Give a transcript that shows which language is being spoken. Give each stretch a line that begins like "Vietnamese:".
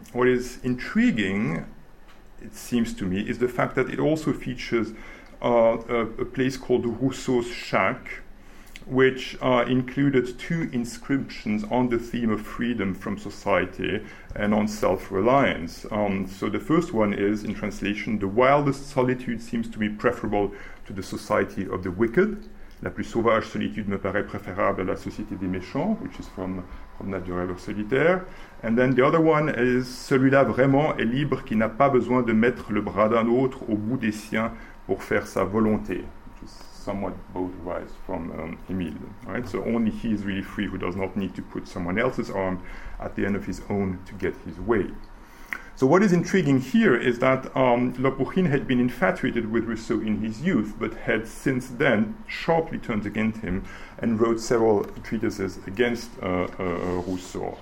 English: What is intriguing, it seems to me, is the fact that it also features a place called Rousseau's Shack, which included two inscriptions on the theme of freedom from society and on self-reliance. So the first one is, in translation, "The wildest solitude seems to be preferable to the society of the wicked.
French: La plus sauvage solitude me paraît préférable à la société des méchants,"
English: which is from
French: Promenade du rêveur solitaire.
English: And then the other one is,
French: "Celui-là vraiment est libre qui n'a pas besoin de mettre le bras d'un autre au bout des siens pour faire sa volonté."
English: Somewhat both rise from Emile, right? So only he is really free who does not need to put someone else's arm at the end of his own to get his way. So what is intriguing here is that Lapukhin had been infatuated with Rousseau in his youth, but had since then sharply turned against him and wrote several treatises against Rousseau.